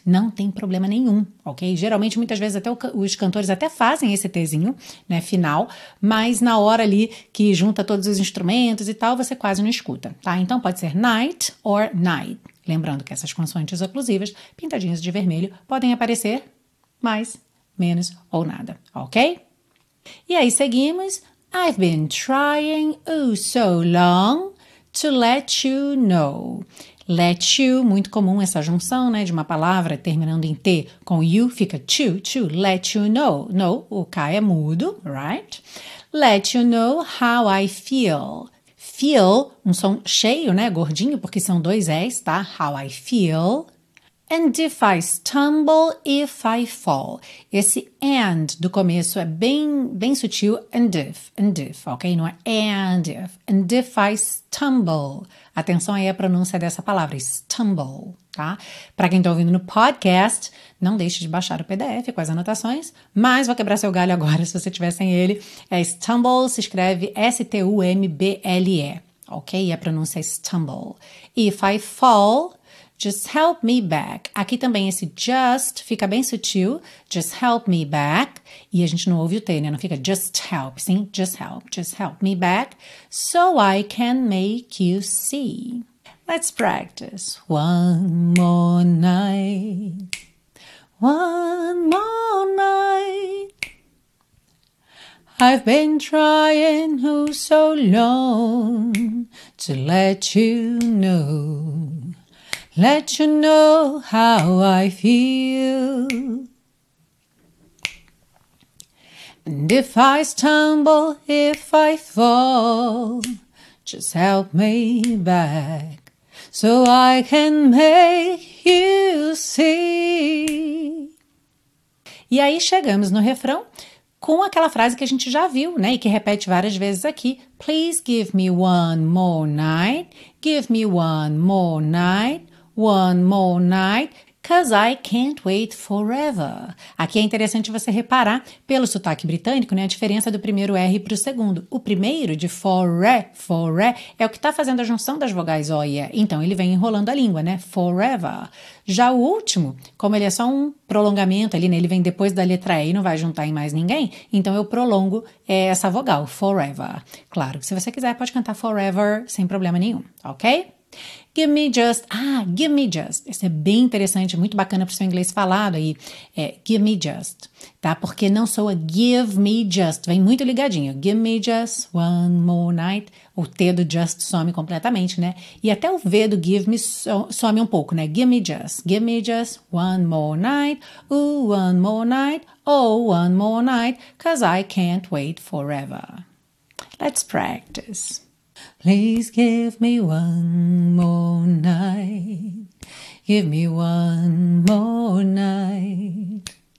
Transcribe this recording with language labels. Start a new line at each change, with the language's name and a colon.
Portuguese: Não tem problema nenhum, ok? Geralmente, muitas vezes, até os cantores até fazem esse Tzinho, né, final, mas na hora ali que junta todos os instrumentos e tal, você quase não escuta, tá? Então, pode ser
English: night or night.
Portuguese: Lembrando que essas consoantes oclusivas, pintadinhas de vermelho, podem aparecer mais, menos ou nada, ok? E aí, seguimos.
English: I've been trying so long to let you know.
Portuguese: Let you, muito comum essa junção, né, de uma palavra terminando em T com you, fica to,
English: let you know.
Portuguese: No, o K é mudo,
English: right? Let you know how I feel.
Portuguese: Feel, um som cheio, né, gordinho, porque são dois S, tá?
English: How I feel. And if I stumble, if I fall.
Portuguese: Esse and do começo é bem sutil.
English: And if, ok?
Portuguese: Não é
English: and if. And if I stumble.
Portuguese: Atenção aí à pronúncia dessa palavra, stumble, tá? Pra quem tá ouvindo no podcast, não deixe de baixar o PDF com as anotações. Mas vou quebrar seu galho agora, se você tiver sem ele. É stumble, se escreve S-T-U-M-B-L-E, ok? E a pronúncia é stumble.
English: If I fall, just help me back.
Portuguese: Aqui também esse just fica bem sutil.
English: Just help me back.
Portuguese: E a gente não ouve o T, né? Não fica
English: just help,
Portuguese: sim?
English: Just help. Just help me back. So I can make you see. Let's practice. One more night. One more night. I've been trying so long to let you know. Let you know how I feel. And if I stumble, if I fall, just help me back so I can make you see.
Portuguese: E aí chegamos no refrão com aquela frase que a gente já viu, né, e que repete várias vezes aqui.
English: Please give me one more night. Give me one more night. One more night, 'cause I can't wait forever.
Portuguese: Aqui é interessante você reparar, pelo sotaque britânico, né, a diferença do primeiro R para o segundo. O primeiro, de forever, é o que está fazendo a junção das vogais O e E. Então, ele vem enrolando a língua, né? Forever. Já o último, como ele é só um prolongamento ali, né, ele vem depois da letra E e não vai juntar em mais ninguém, então eu prolongo essa vogal, forever. Claro, se você quiser, pode cantar forever sem problema nenhum, ok?
English: Give me just, give me just.
Portuguese: Isso é bem interessante, muito bacana para o seu inglês falado aí. É
English: give me just,
Portuguese: tá? Porque não soa give me just, vem muito ligadinho.
English: Give me just one more night.
Portuguese: O T do just some completamente, né? E até o V do give me some um pouco, né?
English: Give me just one more night. Ooh, one more night. Oh, one more night. 'Cause I can't wait forever. Let's practice. Please give me one more night. Give me one more night.